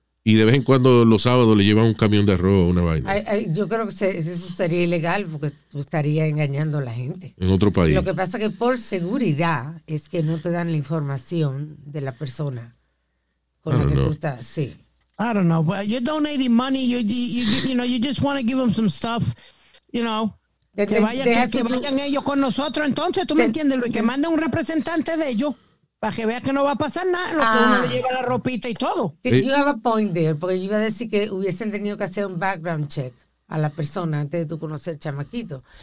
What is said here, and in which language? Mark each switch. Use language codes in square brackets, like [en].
[es] y de vez en cuando los sábados le llevan un camión de arroz o una vaina. Yo creo que eso sería ilegal porque estaría engañando a la gente. En otro país. Lo que pasa es que por seguridad es que no te dan la información de la persona con la que tú estás. Sí. [en] I don't know, but you're donating money. You know, you just want to give them some stuff, you know. [es] Que vayan ellos con nosotros. Entonces, ¿tú me entiendes, Luis? Que mande un representante de ellos para que vea que no va a pasar nada. Lo que uno le lleva la ropita y todo. [en] You have a point there, [es] porque yo iba a decir que hubiesen tenido que hacer un background check a la persona antes de tú conocer chamaquito.